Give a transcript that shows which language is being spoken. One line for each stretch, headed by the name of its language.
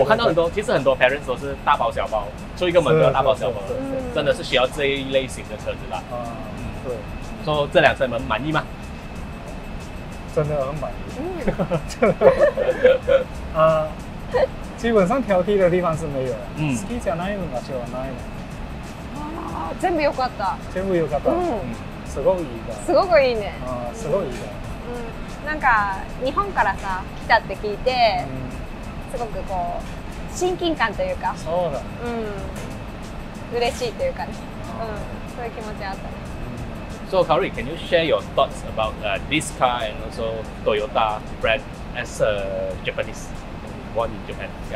Chinese: 我看到很多，其实很多 parents 都是大包小包，出一个门都要大包小包，真的是需要这一类型的车子啦。是。说这辆车你们满意吗？真的很满意，基本上挑剔的地方是没有。
Japanese: 好きじゃないのが違わないの。全部良かった。全部良かった。すごくいいだ。すごくいいね。すごいいいだ。なんか日本からさ来たって聞いて、すごくこう親近感というか。そうだ。嬉しいというかね。そういう気持ちあった。
English: So, Curry, can you share your thoughts about this car and also Toyota brand as a Japanese born in Japan?